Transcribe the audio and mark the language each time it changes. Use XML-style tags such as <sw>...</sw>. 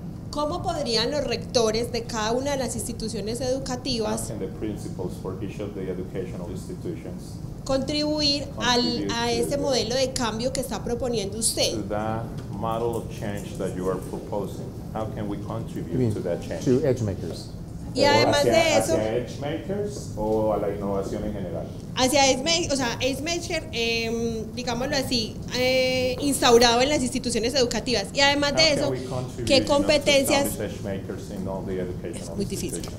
<es>¿cómo podrían los rectores de cada una de las instituciones educativas contribuir a ese modelo de cambio que está proponiendo usted?</es> <en>To that model of change that you are proposing. How can we contribute to that change? To edge makers.</en> <es>Y además hacia, de eso, ¿hacia edge makers o a la innovación en general? Hacia Edgemaker, digámoslo así, instaurado en las instituciones educativas. Y además de eso, ¿qué competencias? Es muy difícil.</es>